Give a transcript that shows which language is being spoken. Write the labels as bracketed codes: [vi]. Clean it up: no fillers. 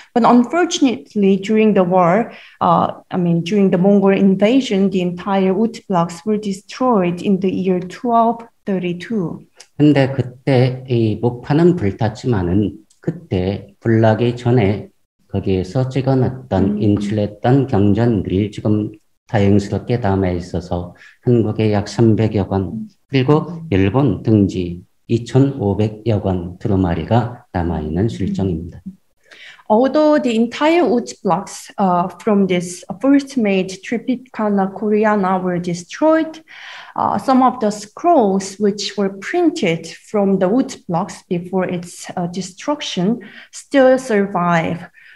[en] But unfortunately, during the war, during the Mongol invasion, the entire wood blocks were destroyed in the year 1232. [ko] 근데 그때 이 목판은 불탔지만은 그때 불나기 전에 거기에서 찍어놨던 인출했던 경전들이 지금 다행스럽게 남아 있어서 한국에 약 300여 권 그리고 일본 등지 2,500여 권 두루마리가 남아 있는 실정입니다. [en] Although the entire wood blocks from this first made Tripitaka Koreana were destroyed, some of the scrolls which were printed from the wood blocks before its destruction still survive.